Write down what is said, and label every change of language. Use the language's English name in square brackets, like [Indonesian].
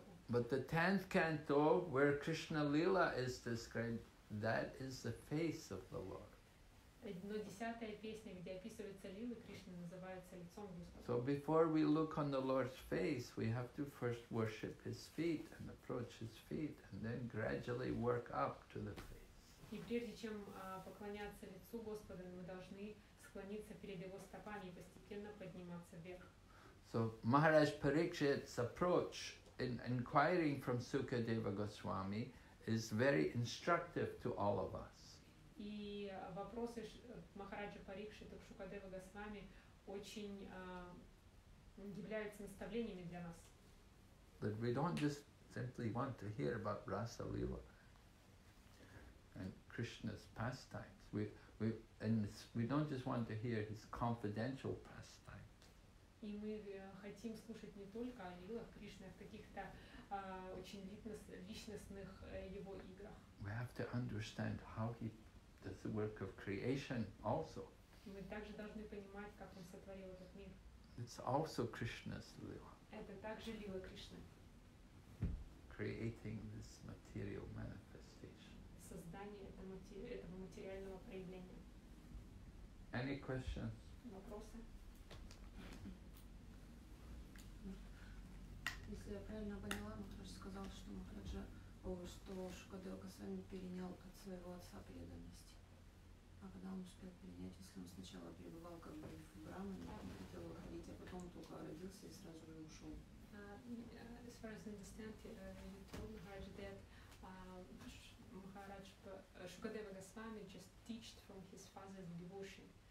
[English] But the 10th canto, where Krishna Lila is described, that is the face of the Lord. [Russian] Но десятая песня, где описывается лила Кришны, называется лицом Господа. [English] So before we look on the Lord's face, we have to first worship His feet and approach His feet, and then gradually work up to the face. [Russian] И прежде чем поклоняться лицу Господа, мы должны склониться перед Его стопами и постепенно подниматься вверх. [English] So Maharaj Parikshit's approach in inquiring from Sukadeva Goswami is very instructive to all of us. [Russian] И вопросы Махараджа Парикшита к Шукадева Госвами очень являются наставлениями для нас. [English] That we don't just simply want to hear about Rasa Lila and Krishna's pastimes. We don't just want to hear his confidential pastimes. [Russian] И мы хотим слушать не только о лилах Кришны, а в каких-то очень личностных его играх. [English] We have to understand how he That's the work of creation also. [Russian] Мы также должны понимать, как он сотворил этот мир. [English] It's also Krishna's lila. [Russian] Это также лила Кришны. [English] Creating this material manifestation. [Russian] Создание этого материального проявления. [English] Any questions? [Russian] Вопросы? Если я правильно поняла, Махарадж сказал, что Шукадева Госвами перенял от своего отца преданность. А когда он успел принять, если он сначала пребывал как бы в Брамане, он хотел выходить, а потом только родился и сразу же ушел. [English] As far as I understand, you told Maharaj that Maharaj Shukadeva Goswami just teached from his father's devotion.